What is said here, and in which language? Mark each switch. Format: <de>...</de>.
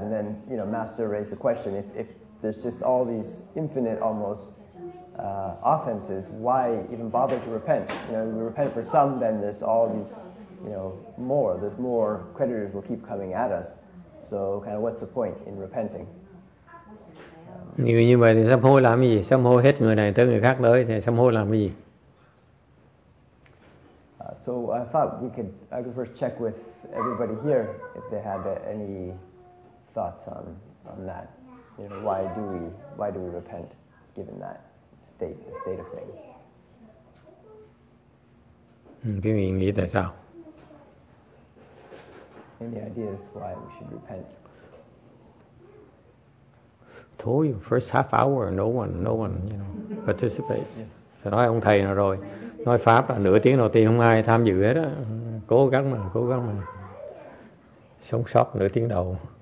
<en>And then, you know, Master raised the question, if there's just all these infinite, almost, offenses, why even bother to repent? You know, we repent for some, then there's all these, you know, more. There's more creditors will keep coming at us. So kind of what's the point in repenting?</en> <vi>Nếu như vậy thì sám hối làm cái gì? Sám hối hết người này tới người khác tới thì sám hối làm cái gì?</vi> <en>So I thought I could first check with everybody here if they had any thoughts on that. You know, why do we repent given that state of things?</en> <vi>Quý vị nghĩ tại sao?</vi> <en>Any ideas why we should repent? Thôi, first half hour, no one, you know, participates.</en> <vi>Phải nói ông thầy nào rồi. Nói pháp là nửa tiếng đầu tiên không ai tham dự hết á, cố gắng mà sống sót nửa tiếng đầu.</vi>